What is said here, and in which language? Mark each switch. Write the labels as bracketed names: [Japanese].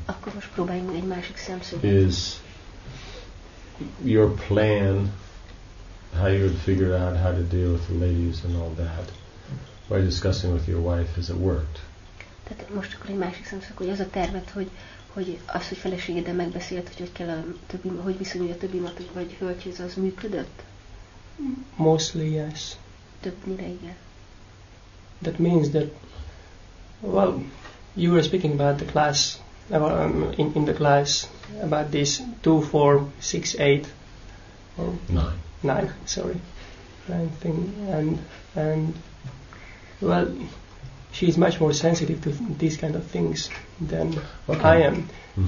[Hungarian] Akkor most próbáljunk egy másik szemszögből. [English] Is your plan, how you would figure out how to deal with the ladies and all that, by discussing with your wife, has it worked? [Hungarian] Tehát most akkor egy másik szemszög, hogy az a terved, hogy az, hogy feleségeddel megbeszélt, hogy kell a többi, hogy viszonyulj a többi matag, vagy hölgyhez, az működött? [English] Mostly yes. [Hungarian] Többnyire igen. [English] That means that, well, you were speaking about the class, in the class, about this 2, 4, 6, 8, or nine, sorry, nine thing, and well, she is much more sensitive to these kind of things than I am. Mm-hmm.